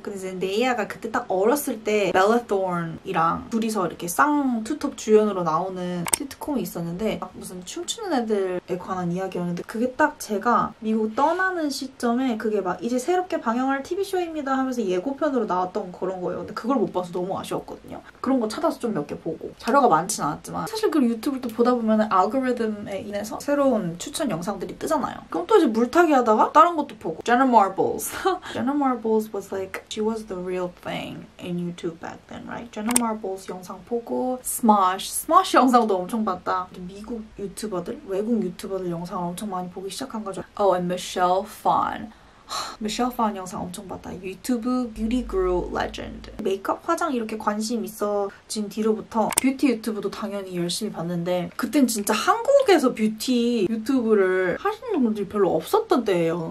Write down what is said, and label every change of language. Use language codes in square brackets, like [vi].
[ko] 근데 젠데이아가 그때 딱 어렸을 때 벨라 톤이랑 둘이서 이렇게 쌍 투톱 주연으로 나오는 시트콤이 있었는데 막 무슨 춤추는 애들에 관한 이야기였는데 그게 딱 제가 미국 떠나는 시점에 그게 막 이제 새롭게 방영할 TV쇼입니다 하면서 예고편으로 나왔던 그런 거예요. 근데 그걸 못 봐서 너무 아쉬웠거든요. 그런 거 찾아서 좀 몇 개 보고 자료가 많진 않았지만 사실 그 유튜브를 또 보다 보면 알고리즘에 해서 새로운 추천 영상들이 뜨잖아요. 그럼 또 이제 물타기 하다가 다른 것도 보고 Jenna Marbles. [en] Jenna Marbles was like she was the real thing in YouTube back then, right? [ko] Jenna Marbles 영상 보고 Smosh 영상도 엄청 봤다. 미국 유튜버들, 외국 유튜버들 영상을 엄청 많이 보기 시작한 거죠. Oh, and Michelle Phan. Michelle Phan 영상 엄청 봤다. 유튜브 뷰티 그루 레전드. 메이크업 화장 이렇게 관심 있어진 뒤로부터 뷰티 유튜브도 당연히 열심히 봤는데 그땐 진짜 한국에서 뷰티 유튜브를 하시는 분들이 별로 없었던 때예요.